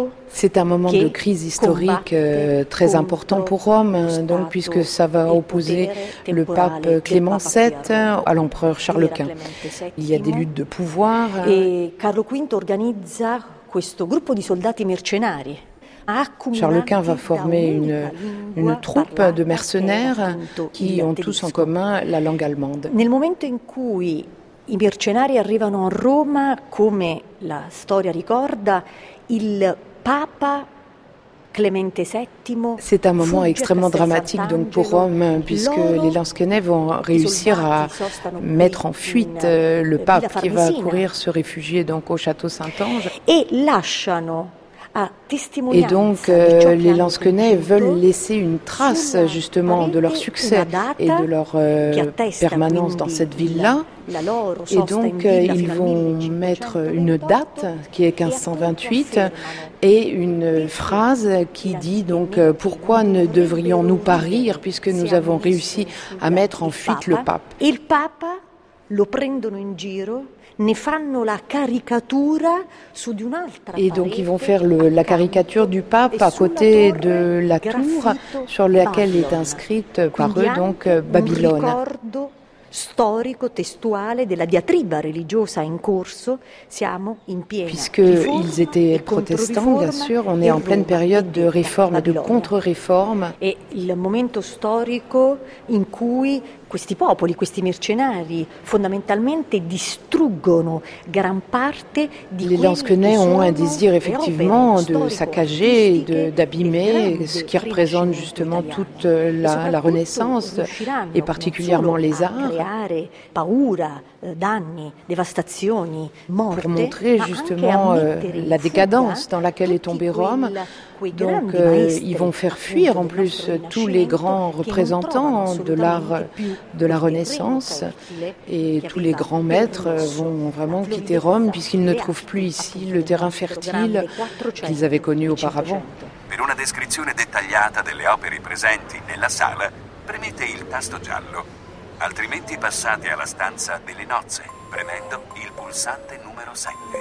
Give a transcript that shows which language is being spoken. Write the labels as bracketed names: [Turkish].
[French] c'est un moment de crise historique très important pour Rome, donc, puisque ça va opposer le pape Clément VII à l'empereur Charles Quint. Il y a des luttes de pouvoir. [Italian] Et Carlo V [French] organise [Italian] questo gruppo di soldati mercenari. [French] Charles Quint va former une troupe de mercenaires qui ont tous en commun la langue allemande. [Italian] Nel momento in cui i mercenari arrivano a Roma, come la storia ricorda, il Papa Clemente VII. [French] C'est un moment extrêmement dramatique donc pour Rome, puisque les Lansquenets vont réussir à mettre en fuite le Pape qui va courir se réfugier donc au château Saint-Ange. [Italian] Et lasciano. [French] Et donc, les Lansquenets veulent laisser une trace, justement, de leur succès et de leur permanence dans cette ville-là. Et donc, ils vont mettre une date, qui est 1528, et une phrase qui dit, donc, pourquoi ne devrions-nous pas rire, puisque nous avons réussi à mettre en fuite le pape. [Italian] Il papa lo prendono in giro. Ne fanno la caricatura su di un'altra. [French] Et donc ils vont faire la caricature du pape à côté de la tour sur laquelle est inscrite par eux donc Babylone. [Italian] Un ricordo storico testuale della diatriba religiosa in corso. Siamo in piena. [French] Puisque ils étaient protestants, bien sûr, on est en pleine période de réforme et de contre-réforme. [Italian] Et il momento storico in cui questi popoli, questi mercenari, fondamentalmente distruggono gran parte di quelli che sono le opere storiche. [French] Ont un désir effectivement de saccager, d'abîmer ce qui représente justement toute la Renaissance et particulièrement les arts. [Italian] creare paura, danni, devastazioni, morte, [French] pour montrer justement la décadence dans laquelle est tombée Rome. Donc ils vont faire fuir en plus tous les grands représentants de l'art de la Renaissance et tous les grands maîtres vont vraiment quitter Rome puisqu'ils ne trouvent plus ici le terrain fertile qu'ils avaient connu auparavant. [Italian] Per una descrizione dettagliata delle opere presenti nella sala, premete il tasto giallo. Altrimenti passate alla stanza delle nozze, premendo il pulsante numero 7.